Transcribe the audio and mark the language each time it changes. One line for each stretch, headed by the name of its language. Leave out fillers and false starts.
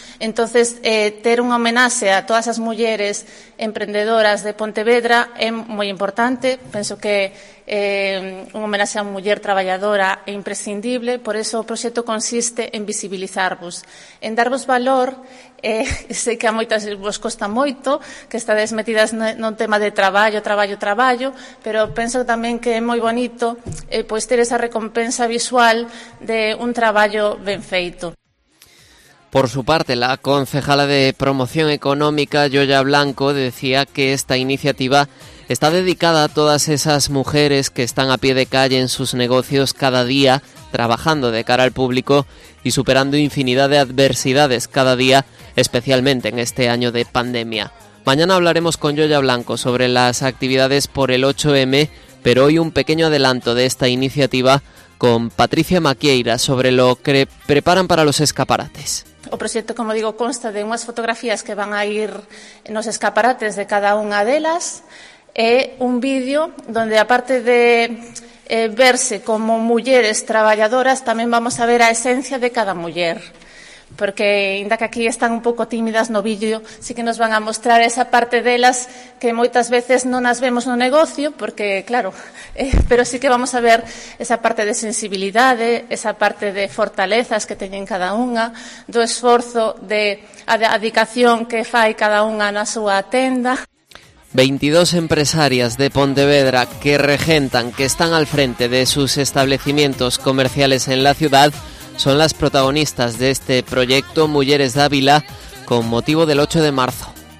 Spanish: Entonces, tener un homenaje a todas las mujeres emprendedoras de Pontevedra es muy importante. Pienso que un homenaje a una mujer trabajadora es imprescindible. Por eso, el proyecto consiste en visibilizarvos, en darvos valor.
Galician: Sei que a moitas vos costa moito, que estades metidas no tema de traballo, pero penso tamén que é moi bonito pois ter esa recompensa visual de un traballo ben feito.
Spanish: Por su parte, la concejala de Promoción Económica, Yoya Blanco, decía que esta iniciativa está dedicada a todas esas mujeres que están a pie de calle en sus negocios cada día, trabajando de cara al público y superando infinidad de adversidades cada día, especialmente en este año de pandemia. Mañana hablaremos con Yoya Blanco sobre las actividades por el 8M, pero hoy un pequeño adelanto de esta iniciativa con Patricia Maquieira sobre lo que preparan para los escaparates.
Galician: O proxecto, como digo, consta de unhas fotografías que van a ir nos escaparates de cada unha delas e un vídeo donde, aparte de verse como mulleres traballadoras, tamén vamos a ver a esencia de cada muller. Porque, inda que aquí están un pouco tímidas no vídeo, sí que nos van a mostrar esa parte delas que moitas veces non as vemos no negocio, porque, claro, pero sí que vamos a ver esa parte de sensibilidade, esa parte de fortalezas que teñen cada unha, do esforzo, de adicación que fai cada unha na súa tenda.
Spanish: 22 empresarias de Pontevedra que regentan, que están al frente de sus establecimientos comerciales en la ciudad, son las protagonistas de este proyecto Mujeres Dávila con motivo del 8 de marzo.